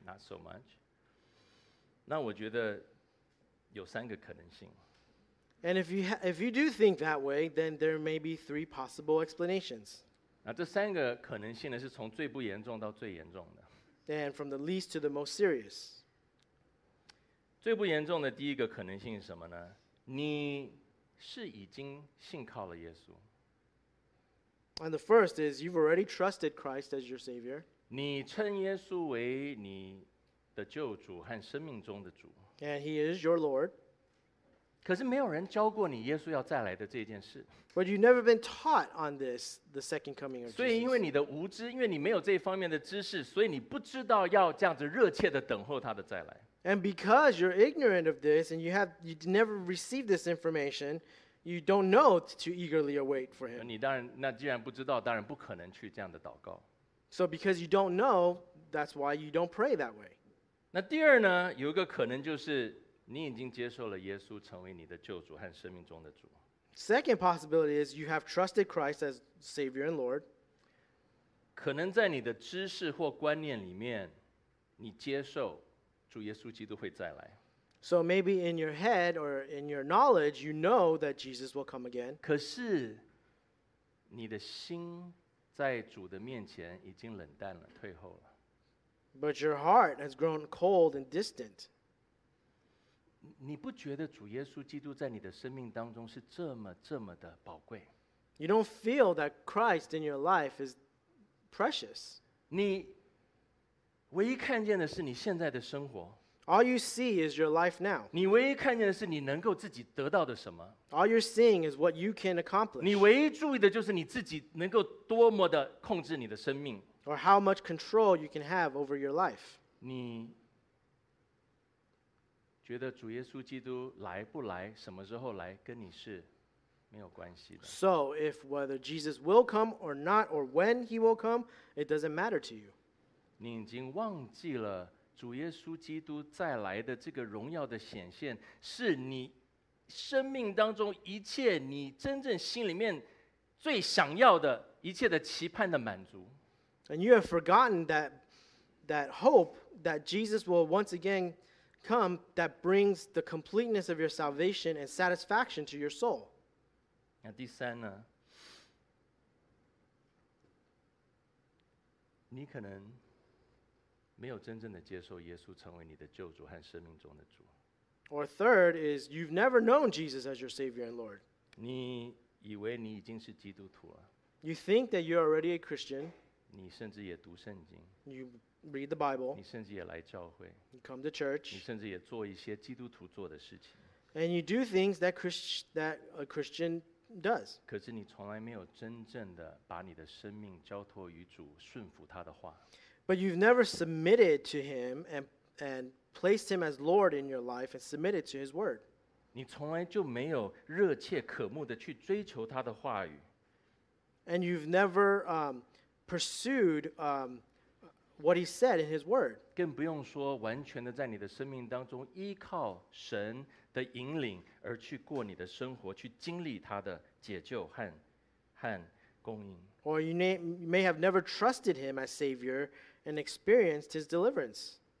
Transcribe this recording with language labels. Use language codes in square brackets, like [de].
[en] Not so much. [zh] 那我觉得有三个可能性。 [en] And if you do think that way, then there may be three possible explanations. [zh] 那这三个可能性呢，是从最不严重到最严重的。 [en] And from the least to the most serious. [zh] 最不严重的第一个可能性是什么呢？你是已经信靠了耶稣。 [en] And the first is you've already trusted Christ as your Savior. [zh] 你称耶稣为你的救主和生命中的主。 [en] And he is your Lord. [zh] 可是没有人教过你耶稣要再来的这件事。 [en] But you've never been taught on this, the second coming of Jesus. [zh] 所以因为你的无知，因为你没有这方面的知识，所以你不知道要这样子热切的等候他的再来。 [en] And because you're ignorant of this and you never received this information, you don't know to eagerly await for him. [zh] 你当然，那既然不知道，当然不可能去这样的祷告。 [en] So because you don't know, that's why you don't pray that way. [zh] 那第二呢，有一个可能就是你已经接受了耶稣成为你的救主和生命中的主。 [en] Second possibility is you have trusted Christ as Savior and Lord. [zh] 可能在你的知识或观念里面，你接受主耶稣基督会再来。 [en] So maybe in your head or in your knowledge, you know that Jesus will come again. [zh] 可是你的心在主的面前已经冷淡了，退后了。 [en] But your heart has grown cold and distant. [zh] 你不觉得主耶稣基督在你的生命当中是这么这么的宝贵？ [en] You don't feel that Christ in your life is precious. [zh] 你唯一看见的是你现在的生活。 [en] All you see is your life now. [zh] 你唯一看见的是你能够自己得到的什么。 [en] All you're seeing is what you can accomplish. [zh] 你唯一注意的就是你自己能够多么的控制你的生命。 [en] Or how much control you can have over your life. [zh] 你觉得主耶稣基督来不来，什么时候来，跟你是没有关系的。 [en] So if whether Jesus will come or not, or when he will come, it doesn't matter to you. [zh] 你已经忘记了主耶稣基督再来的这个荣耀的显现，是你生命当中一切你真正心里面最想要的一切的期盼的满足。 [en] And you have forgotten that hope that Jesus will once again come that brings the completeness of your salvation and satisfaction to your soul. [zh] 那第三呢？你可能没有真正的接受耶稣成为你的救主和生命中的主。 [en] Or third is you've never known Jesus as your Savior and Lord. [zh] 你以为你已经是基督徒了。 [en] You think that you're already a Christian. [zh] 你甚至也读圣经。 [en] You read the Bible. [zh] 你甚至也来教会。 [en] You come to church. [zh] 你甚至也做一些基督徒做的事情。 [en] And you do things that a Christian does. [zh] 可是你从来没有真正的把你的生命交托于主，顺服他的话。 [en] But you've never submitted to him and placed him as Lord in your life and submitted to his word. [zh] 你从来就没有热切渴慕的去追求他的话语。 [en] And you've never pursued what he said in his word. [zh] 更不用说完全的在你的生命当中依靠神的引领而去过你的生活，去经历他的解救 和供应。 [en] Or you may have never trusted him as Savior and experienced his deliverance.